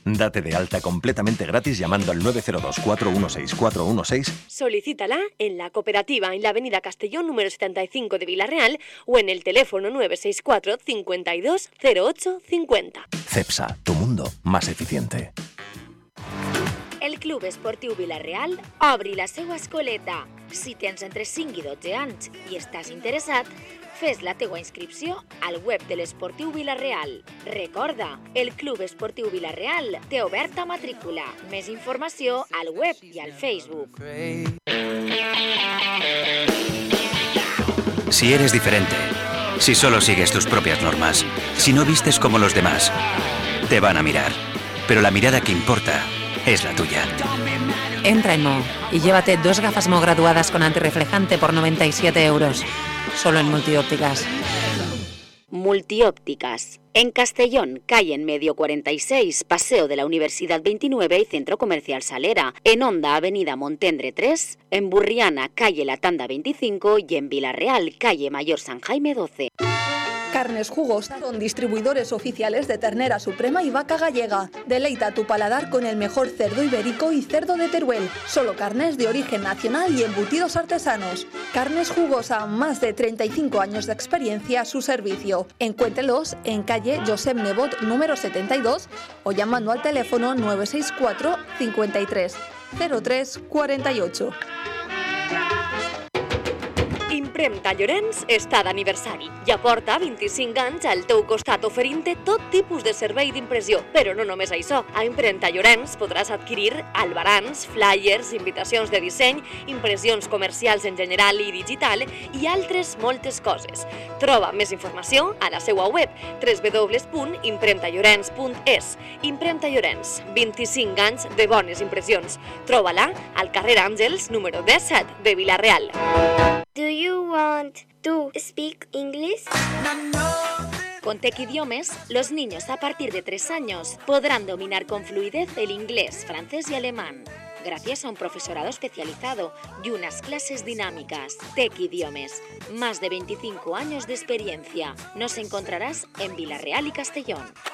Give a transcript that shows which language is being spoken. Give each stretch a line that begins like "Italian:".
Spanish: Date de alta completamente gratis llamando al 902-416-416. Solicítala en la cooperativa en la avenida Castellón número 75 de Villarreal o en el teléfono 964-520850. Cepsa, tu mundo más eficiente.
Catalan: El Club Esportiu Villarreal obre la seva escoleta. Si tens entre 5 i 12 anys i estàs interessat, fes la teua inscripció al web de l'Esportiu Villarreal. Recorda, el Club Esportiu Villarreal té oberta matrícula. Més informació al web i al Facebook.
Spanish: Si eres diferente, si solo sigues tus propias normas, si no vistes como los demás, te van a mirar. Pero la mirada que importa es la tuya. Entra en Mo y llévate dos gafas Mo graduadas con antirreflejante por 97 euros. Solo en Multiópticas. Multiópticas. En Castellón, calle en Medio 46, Paseo de la Universidad 29 y Centro Comercial Salera. En Onda, Avenida Montendre 3. En Burriana, calle La Tanda 25. Y en Villarreal, calle Mayor San Jaime 12. Carnes Jugosa son distribuidores oficiales de ternera suprema y vaca gallega. Deleita tu paladar con el mejor cerdo ibérico y cerdo de Teruel. Solo carnes de origen nacional y embutidos artesanos. Carnes Jugosa, más de 35 años de experiencia a su servicio. Encuéntrelos en calle Josep Nebot número 72 o llamando al teléfono 964-53-0348.
Catalan: Renta Llorenç està d'aniversari. Ja porta 25 anys al teu costat oferint-te tot tipus de servei d'impressió. Però no només això. A Impremta Llorenç podràs adquirir albarans, flyers, invitacions de disseny, impressions comercials en general i digital i altres moltes coses. Troba més informació a la seva web www.impremtallorenç.es. Impremta Llorenç, 25 anys de bones impressions. Troba-la al carrer Àngels, número 17 de Vila-real.
English: Do you want to speak English?
Spanish: Con Tec Idiomes, los niños a partir de 3 años podrán dominar con fluidez el inglés, francés y alemán, gracias a un profesorado especializado y unas clases dinámicas. Tec Idiomes, más de 25 años de experiencia. Nos encontrarás en Vila-real y Castellón.